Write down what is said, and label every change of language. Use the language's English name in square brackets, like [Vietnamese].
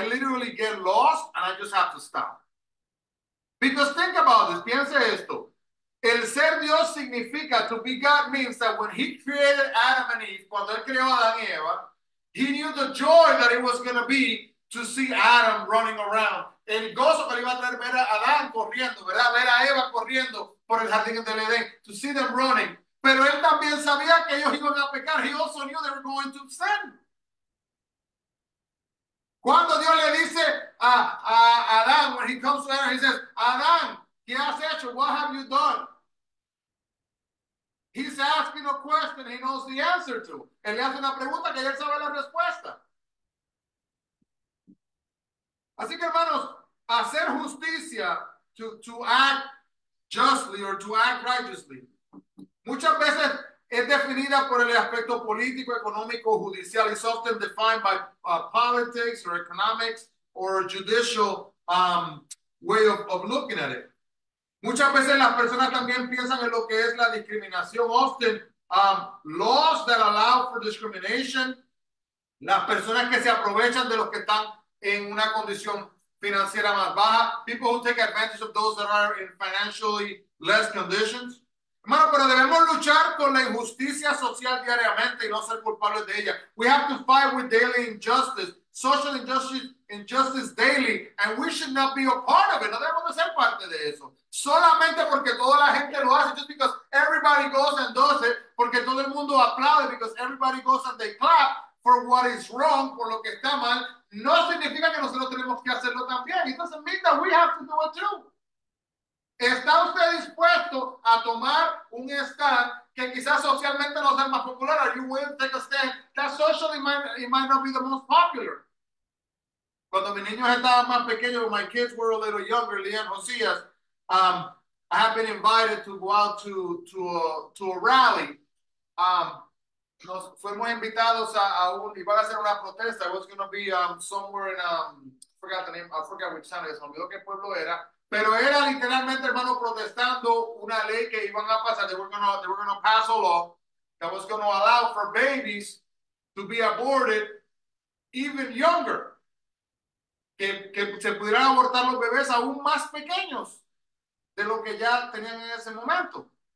[English] I literally get lost and I just have to stop. Because think about this. [Spanish] Piense esto. El ser Dios significa, [English] to be God means that when he created Adam and Eve, [Spanish] cuando él creó a Adán y Eva, [English] he knew the joy that it was going to be to see Adam running around. [Spanish] El gozo que le iba a traer ver a Adán corriendo, ¿verdad? Ver a Eva corriendo por el jardín del Edén. [English] To see them running. [Spanish] Pero él también sabía que ellos iban a pecar. [English] He also knew they were going to sin. [Spanish] Cuando Dios le dice a Adán, [English] when he comes to Adam, he says, [Spanish] Adán, ¿qué has hecho? [English] What have you done? He's asking a question he knows the answer to. [Spanish] Él le hace una pregunta que él sabe la respuesta. Así que, hermanos, hacer justicia, [English] to act justly or to act righteously, [Spanish] muchas veces es definida por el aspecto político, económico, judicial. [English] It's often defined by politics or economics or judicial way of looking at it. [Spanish] Muchas veces las personas también piensan en lo que es la discriminación. [English] Often laws that allow for discrimination, [Spanish] las personas que se aprovechan de los que están en una condición financiera más baja. [English] People who take advantage of those that are in financially less conditions. [Spanish] Hermano, pero debemos luchar con la injusticia social diariamente y no ser culpables de ella. [English] We have to fight with daily injustice, social injustice daily, and we should not be a part of it. [Spanish] No debemos de ser parte de eso. Solamente porque toda la gente lo hace, [English] just because everybody goes and does it, [Spanish] porque todo el mundo aplaude, [English] because everybody goes and they clap for what is wrong, [Spanish] por lo que está mal, no significa que nosotros tenemos que hacerlo también. [English] It doesn't mean that we have to do it too. [Spanish] ¿Está usted dispuesto a tomar un stand que quizás socialmente no sea más popular? [English] Are you willing to take a stand that socially might not be the most popular? [Spanish] Cuando mis niños estaban más pequeños, [English] when my kids were a little younger, Leanne Josias, I have been invited to go out to a rally. [Spanish] Nos fuimos invitados iban a hacer una protesta. [English] It was going to be somewhere in, I forgot which town it is, [Spanish] me olvidó qué pueblo era. Pero era literalmente, hermano, protestando una ley que iban a pasar. [English] They were going to pass a law that was going to allow for babies to be aborted even younger. [Spanish] Que se pudieran abortar los bebés aún más pequeños de lo que ya tenían en ese momento.